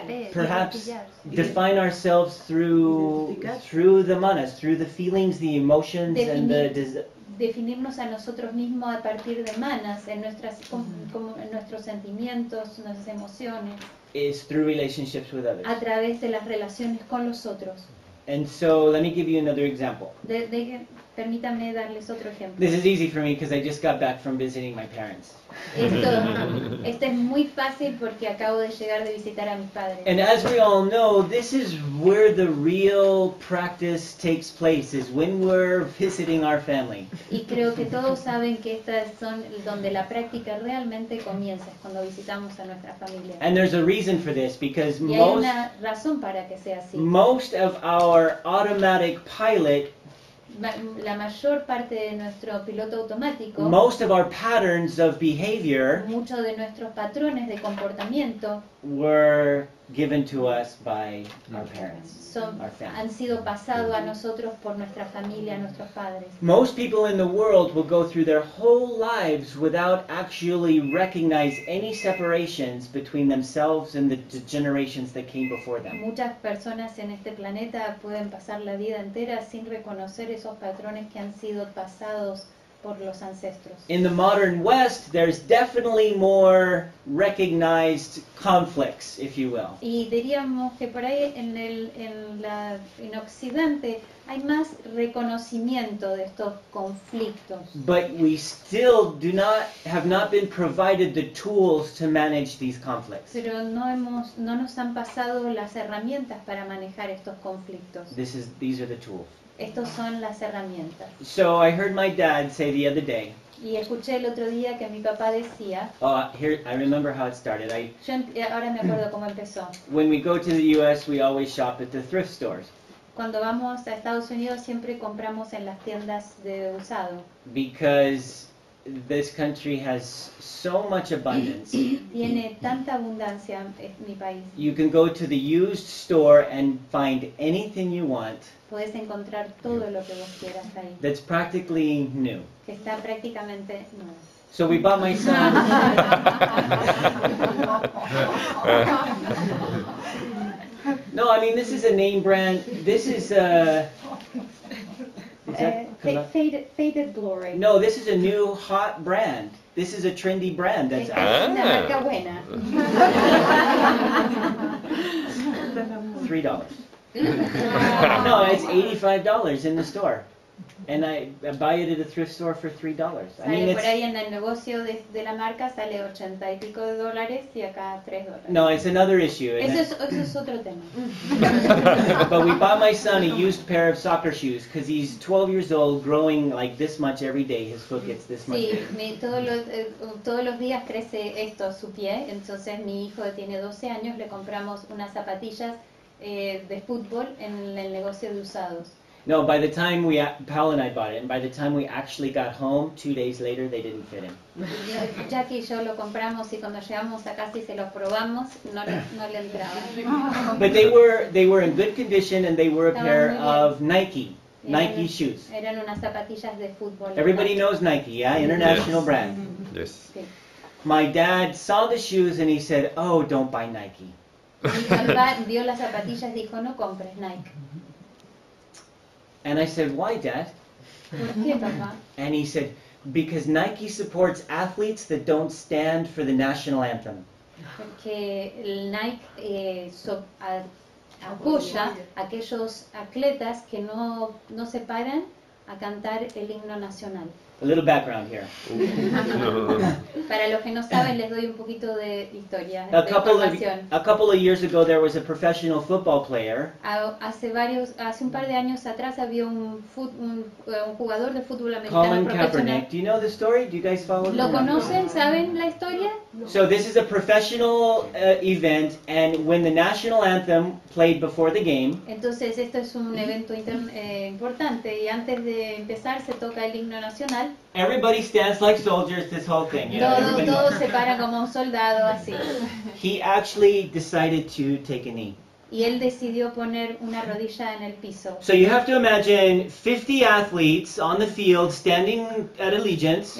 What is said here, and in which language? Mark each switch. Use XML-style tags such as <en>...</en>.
<en>perhaps define ourselves through the manas, through the feelings, the emotions,</en> <es>definirnos a nosotros mismos a partir de manas, en nuestras en nuestros sentimientos, nuestras emociones.</es> <en>Is through relationships with others.</en> <es>A través de las relaciones con los otros.</es> <en>And so, let me give you another example.</en> <es>Permítanme darles otro ejemplo.</es> <en>This is easy for me because I just got back from visiting my parents.</en> <es>Esto es muy fácil porque acabo de llegar de visitar a mis padres.</es> <en>And as we all know, this is where the real practice takes place, is when we're visiting our family.</en> <es>Y creo que todos saben que estas son donde la práctica realmente comienza, cuando visitamos a nuestra familia.</es> <en>And there's a reason for this, because</en> <es>y hay una razón para que sea así.</es> <en>Most of our automatic pilot,</en> <es>la mayor parte de nuestro piloto automático,</es> <en>most of our patterns of behavior,</en> <es>muchos de nuestros patrones de comportamiento,</es> <en>were given to us by our parents, our family.</en> <es>Han sido pasado a nosotros por nuestra familia, nuestros padres.</es> <en>Most people in the world will go through their whole lives without actually recognize any separations between themselves and the generations that came before them.</en> <es>Muchas personas en este planeta pueden pasar la vida entera sin reconocer esos patrones que han sido pasados por los ancestros.</es> <en>In the modern West, there's definitely more recognized conflicts, if you will.</en> <es>Y diríamos que por ahí en Occidente hay más reconocimiento de estos conflictos.</es> <en>But we still have not been provided the tools to manage these conflicts.</en> <es>Pero no nos han pasado las herramientas para manejar estos conflictos.</es> <en>These are the tools.</en> <es>Estos son las herramientas.</es> <en>So I heard my dad say the other day.</en> <es>Y escuché el otro día que mi papá decía.</es> <en>Oh, here I remember how it started.</en> <es>Ahora me acuerdo cómo empezó.</es> <en>When we go to the U.S., we always shop at the thrift stores.</en> <es>Cuando vamos a Estados Unidos siempre compramos en las tiendas de usado.</es> <en>Because this country has so much abundance.</en> <es>Tiene tanta abundancia mi país.</es> <en>You can go to the used store and find anything you want.</en> <es>Puedes encontrar todo lo que vos quieras ahí.</es> <en>That's practically new.</en> <es>Que está prácticamente nuevo.</es> <en>So we bought my son. No, I mean, this is a name brand. This is a Faded Glory. No, this is a new hot brand. This is a trendy brand that's out. $3. No, it's $85 in the store. And I buy it at a thrift store for $3. I mean, it's</en> <es>por ahí en el negocio de la marca sale ochenta y pico de dólares y acá $3.</es> <en>No, it's another issue.</en> <es>Eso es otro tema.</es> <en>But we bought my son a used pair of soccer shoes because he's 12 years old, growing like this much every day. His foot gets this much.</en> <es>Sí, todos los días crece esto su pie. Entonces mi hijo tiene 12 años. Le compramos unas zapatillas de fútbol en el negocio de usados.</es> <en>No, by the time we, Paul and I bought it, and by the time we actually got home, 2 days later, they didn't fit him.</en> <es>Jackie y yo lo compramos y cuando llegamos a casa y se lo probamos, no le entraba.</es> <en>But they were in good condition and they were a pair of Nike shoes.</en> <es>Eran unas zapatillas de fútbol.</es> <en>Everybody knows Nike, yeah? International yes. brand. Yes.</en> <es>Sí.</es> <en>My dad saw the shoes and he said, oh, don't buy Nike.</en> <es>Mi papá vio las zapatillas y dijo, no compres Nike.</es> <en>And I said, why, Dad? And he said, because Nike supports athletes that don't stand for the national anthem.</en> <es>Porque Nike apoya aquellos atletas que no se paran a cantar el himno nacional.</es> <en>A little background here.</en> <es>Para los que no saben, les doy un poquito de historia.</es> <en>A couple of years ago, there was a professional football player.</en> <es>Hace un par de años atrás había un jugador de fútbol americano</es> <en>Colin Kaepernick. Do you know the story? Do you guys follow?</en> <es>Lo conocen, saben la historia.</es> <en>So this is a professional event, and when the national anthem played before the game.</en> <es>Entonces esto es un evento importante y antes de empezar se toca el himno nacional.</es> <en>Everybody stands like soldiers, this whole thing. You know,</en> <es>todo se para como un soldado, así.</es> <en>He actually decided to take a knee.</en> <es>Y él decidió poner una rodilla en el piso.</es> <en>So you have to imagine 50 athletes on the field standing at allegiance.</en>